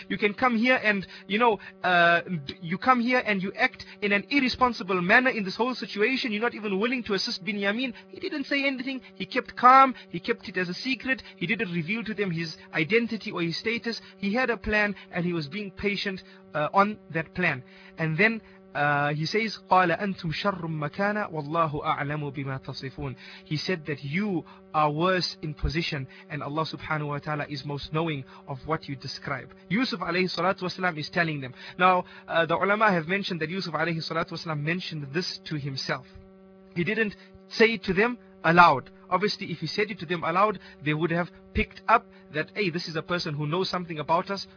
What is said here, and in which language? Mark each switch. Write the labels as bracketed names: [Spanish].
[English] You can come here and, you come here and you act in an irresponsible manner in this whole situation. You're not even willing to assist Binyamin. He didn't say anything. He kept calm. He kept it as a secret. He didn't reveal to them his identity or his status. He had a plan and he was being patient on that plan. And then he says, [Arabic] قَالَ أَنْتُمْ شَرٌّ مَكَانًا وَاللَّهُ أَعْلَمُ بِمَا تَصِفُونَ. [English] He said that you are worse in position and Allah subhanahu wa ta'ala is most knowing of what you describe. Yusuf alayhi salatu wasalam is telling them. Now, the ulama have mentioned that Yusuf alayhi salatu wasalam mentioned this to himself. He didn't say it to them aloud. Obviously, if he said it to them aloud, they would have picked up that, hey, this is a person who knows something about us.